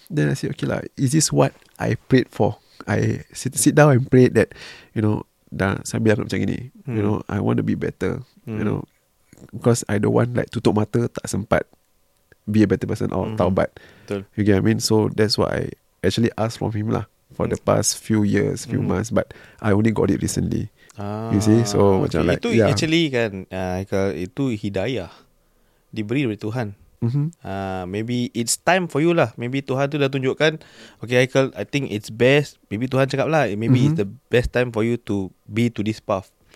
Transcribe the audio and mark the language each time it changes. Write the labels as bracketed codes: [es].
[en] Then I said, okay lah, is this what I prayed for? I sit down and pray that, you know, [ms] dah sambil aku macam gini. [en] You know, I want to be better. You know, because I don't want like [ms] tutup mata, tak sempat [en] be a better person or taubat. You get what I mean? So, that's what I actually asked from him lah for the past few months. But I only got it recently. You see, so macam like, [ms] itu actually kan, itu hidayah diberi oleh Tuhan. [en] Maybe it's time for you lah. Maybe [ms] Tuhan tu dah tunjukkan, [en] okay Haikal, I think it's best. Maybe [ms] Tuhan cakap lah, [en] maybe it's the best time for you to be to this path.